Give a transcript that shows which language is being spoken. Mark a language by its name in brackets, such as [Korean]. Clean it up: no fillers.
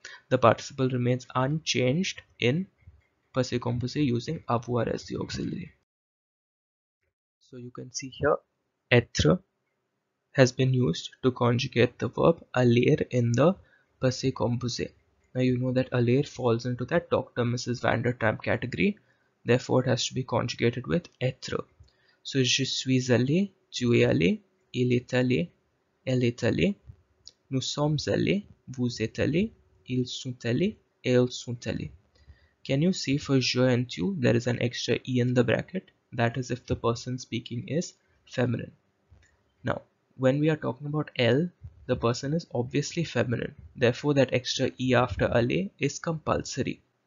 [English] The participle remains unchanged in passé composé using avoir as the auxiliary. So you can see here, être has been used to conjugate the verb aller in the passé composé. Now you know that aller falls into that Dr. Mrs. Van der Tramp category, therefore it has to be conjugated with être. [French] So je suis allé, tu es allé, il est allé, elle est allée, nous sommes allés, vous êtes allés. Ils sont allés, elles sont allées. [English] Can you see for je and tu, there is an extra e in the bracket? That is if the person speaking is feminine. Now, when we are talking about elle, the person is obviously feminine. Therefore, that extra e after aller is compulsory.